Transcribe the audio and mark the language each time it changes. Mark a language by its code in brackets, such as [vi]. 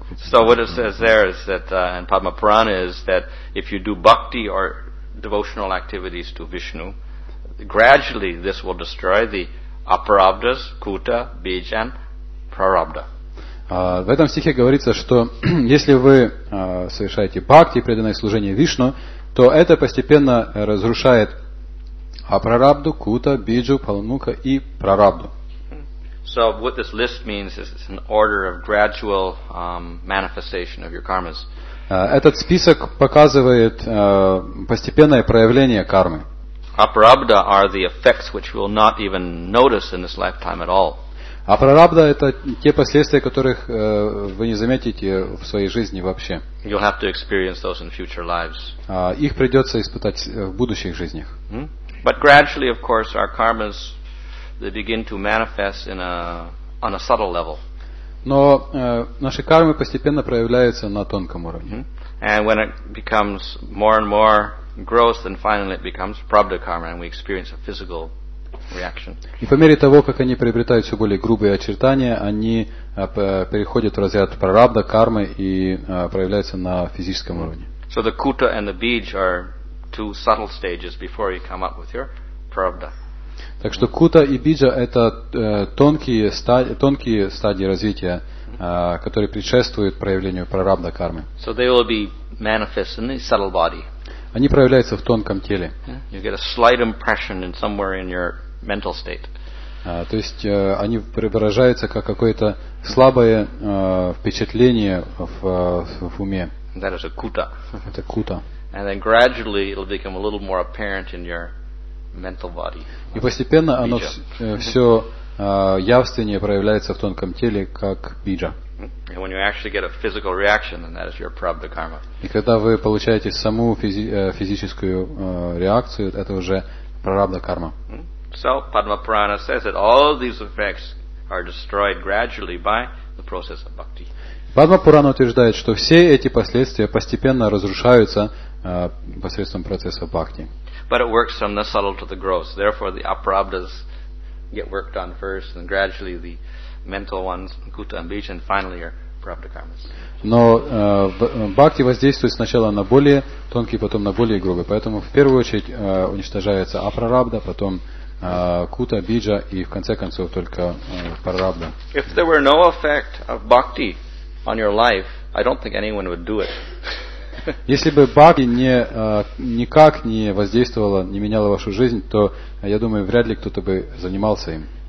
[en] So what it says there is that in Padma Purana is that if you do bhakti or devotional activities to Vishnu, gradually this will destroy the aparabdhas, kuta, bijan, prarabdha. [ru] В этом стихе говорится, что если вы совершаете бхакти, преданное служение Вишну, то это постепенно разрушает апрарабду, кута, биджу, паламука и прарабду. [en] So what this list means is it's an order of gradual manifestation of your karmas. [ru] Этот список показывает постепенное проявление кармы. [en] Апрарабда are the effects which we will not even notice in this lifetime at all. [ru] Апрарабда это те последствия, которых вы не заметите в своей жизни вообще. [en] You'll have to experience those in future lives. [ru] Их придется испытать в будущих жизнях. [en] But gradually, of course, our karmas they begin to manifest in a on a subtle level. [ru] Но наши кармы постепенно проявляются на тонком уровне. [en] And when it becomes more and more gross, then finally it becomes prabdha karma, and we experience a physical reaction. [ru] И по мере того, как они приобретают все более грубые очертания, они переходят в разряд прарабдха кармы и проявляются на физическом уровне. [en] So the kuta and the bij are two subtle stages before you come up with your prarabdha. [ru] Так что кута и биджа это тонкие стадии развития, которые предшествуют проявлению прарабдха кармы. [en] So they will be manifest in the subtle body. [ru] Они проявляются в тонком теле. [en] You get a slight impression in somewhere in your mental state. [ru] То есть они преображаются как какое-то слабое впечатление в уме. [en] That is a kuta. [ru] Это кута. [en] And then gradually it'll become a little more apparent in your mental body. [ru] И постепенно оно все явственнее проявляется в тонком теле, как биджа. [en] And when you actually get a physical reaction, then that is your prarabdha karma. [ru] И когда вы получаете саму физическую реакцию, это уже прарабдха карма. [en] So Padma Purana says that all of these effects are destroyed gradually by the process of bhakti. [ru] Падма Пурана утверждает, что все эти последствия постепенно разрушаются посредством процесса бхакти. [en] But it works from the subtle to the gross. Therefore, the aparabdhas get worked on first, and gradually the mental ones, kuta and bija, and finally your prarabdha karmas. [ru] Но бхакти воздействует сначала на более тонкие, потом на более грубые. Поэтому в первую очередь уничтожается апрарабдха, потом кута, бижа и в конце концов только прарабдха. [en] If there were no effect of bhakti on your life, I don't think anyone would do it. [ru] Если бы бхакти никак не воздействовала, не меняла вашу жизнь, то я думаю, вряд ли кто-то бы занимался им.